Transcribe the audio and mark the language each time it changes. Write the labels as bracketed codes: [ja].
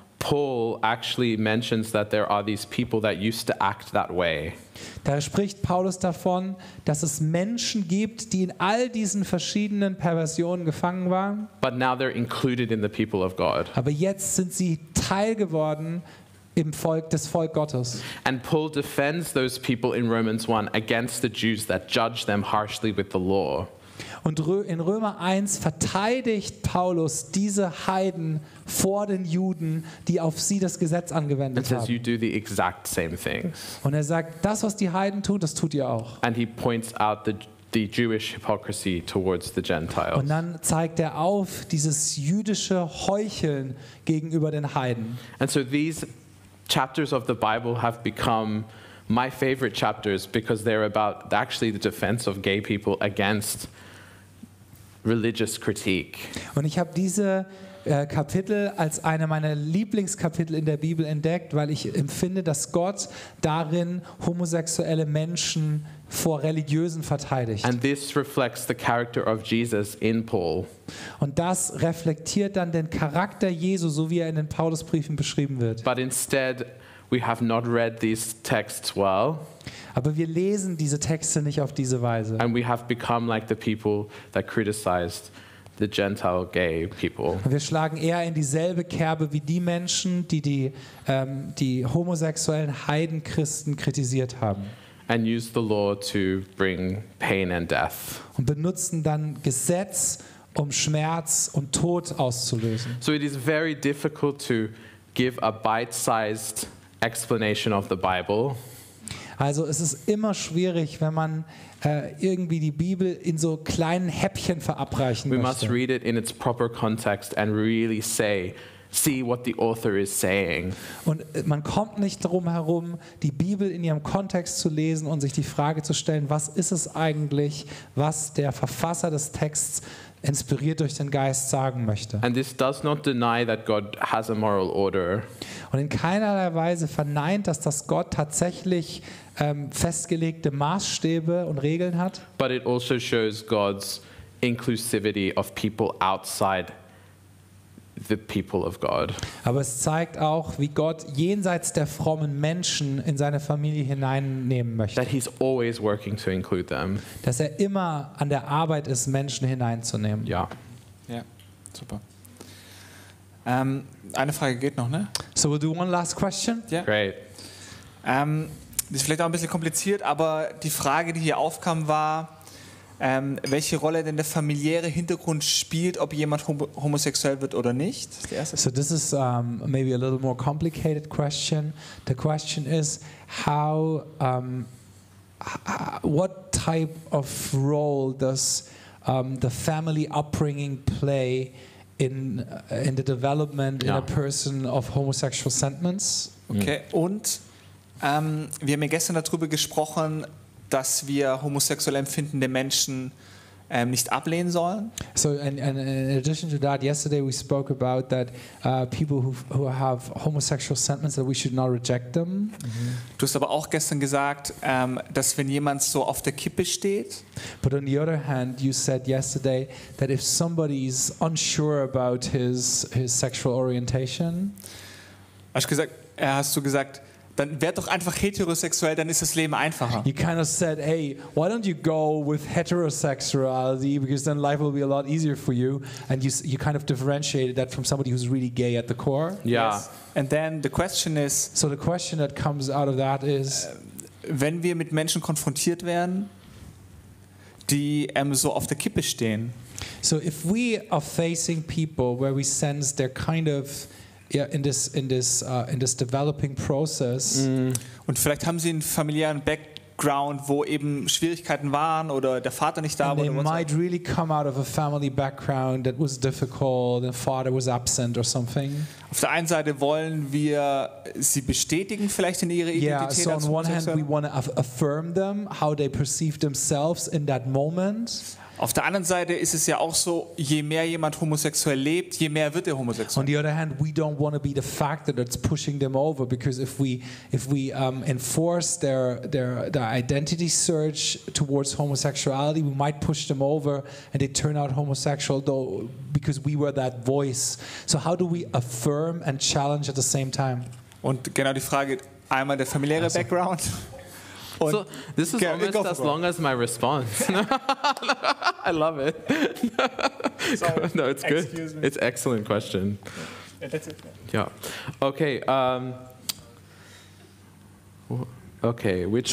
[en] Paul actually mentions that there are these people that used to act that way. [de] Da spricht Paulus davon, dass es Menschen gibt, die in all diesen verschiedenen Perversionen gefangen waren. [en] But now they're included in the people of God. [de] Aber jetzt sind sie Teil geworden im Volk des Volk Gottes. [en] And Paul defends those people in Romans 1 against the Jews that judge them harshly with the law. [de] Und in Römer 1 verteidigt Paulus diese Heiden vor den Juden, die auf sie das Gesetz angewendet haben. [en] And says, you do the exact same things. [de] Und er sagt, das, was die Heiden tun, das tut ihr auch. [en] And he points out the Jewish hypocrisy towards the Gentiles. [de] Und dann zeigt er auf dieses jüdische Heucheln gegenüber den Heiden. [en] And so these chapters of the Bible have become my favorite chapters because they're about actually the defense of gay people against religious critique. [de] Und ich habe diese Kapitel als eine meiner Lieblingskapitel in der Bibel entdeckt, weil ich empfinde, dass Gott darin homosexuelle Menschen vor Religiösen verteidigt. [en] And this reflects the character of Jesus in Paul. [de] Und das reflektiert dann den Charakter Jesu, so wie er in den Paulusbriefen beschrieben wird. [en] But instead, we have not read these texts well. [de] Aber wir lesen diese Texte nicht auf diese Weise. [en] And we have become like the people that criticized the Gentile gay people. [de] Wir schlagen eher in dieselbe Kerbe wie die Menschen, die homosexuellen Heidenchristen kritisiert haben. [en] And use the law to bring pain and death. [de] Und benutzen dann Gesetz, um Schmerz und Tod auszulösen. [en] So it is very difficult to give a bite-sized explanation of the Bible. [de] Also es ist immer schwierig, wenn man irgendwie die Bibel in so kleinen Häppchen verabreichen möchte. [en] We must read it in its proper context and really say, see what the author is saying. [de] Und man kommt nicht drum herum, die Bibel in ihrem Kontext zu lesen und sich die Frage zu stellen, was ist es eigentlich, was der Verfasser des Texts inspiriert durch den Geist sagen möchte. [en] And this does not deny that God has a moral order. [de] Und in keinerlei Weise verneint, dass Gott tatsächlich festgelegte Maßstäbe und Regeln hat. [en] But it also shows God's inclusivity of people outside the people of God. [de] Aber es zeigt auch, wie Gott jenseits der frommen Menschen in seine Familie hineinnehmen möchte. [en] That he's always working to include them. [de] Dass er immer an der Arbeit ist, Menschen hineinzunehmen. Ja. Ja. Super. Eine Frage geht noch, ne? [en] So we'll do one last question. Yeah. Great. [de] Ist vielleicht auch ein bisschen kompliziert, aber die Frage, die hier aufkam, war, welche Rolle denn der familiäre Hintergrund spielt, ob jemand homosexuell wird oder nicht? [en] So this is maybe a little more complicated question. The question is how what type of role does the family upbringing play in the development in a person of homosexual sentiments? [de] Okay, und wir haben ja gestern darüber gesprochen, dass wir homosexuell empfindende Menschen nicht ablehnen sollen. [en] So in addition to that, yesterday we spoke about that people who have homosexual sentiments, that we should not reject them. Mm-hmm. [de] Du hast aber auch gestern gesagt, dass wenn jemand so auf der Kippe steht. [en] But on the other hand, you said yesterday that if somebody is unsure about his sexual orientation. [de] Hast du gesagt, dann werd doch einfach heterosexuell, dann ist das Leben einfacher. [en] You kind of said, hey, why don't you go with heterosexuality, because then life will be a lot easier for you. And you kind of differentiated that from somebody who's really gay at the core. Yeah. Yes. And then the question is... So the question that comes out of that is... [de] Wenn wir mit Menschen konfrontiert werden, die so auf der Kippe stehen... [en] So if we are facing people where we sense they're kind of... Yeah, in this developing process. [de] Und vielleicht haben sie einen familiären Background, wo eben Schwierigkeiten waren oder der Vater nicht da war. [en] They might really come out of a family background that was difficult, the father was absent or something. [de] Auf der einen Seite wollen wir sie bestätigen vielleicht in ihrer Identität. [en] Yeah, so on one hand we want to affirm them, how they perceive themselves in that moment. [de] Auf der anderen Seite ist es ja auch so, je mehr jemand homosexuell lebt, je mehr wird er homosexuell. [en] On the other hand, we don't want to be the factor that's pushing them over, because if we enforce their identity search towards homosexuality, we might push them over and they turn out homosexual, though, because we were that voice. So how do we affirm and challenge at the same time? [de] Und genau die Frage, einmal der familiäre Background. [en] So this is almost as long as my response. I love it. Sorry. No, it's good. Excuse me. It's an excellent question. Yeah, that's it. Yeah. Okay. Okay, which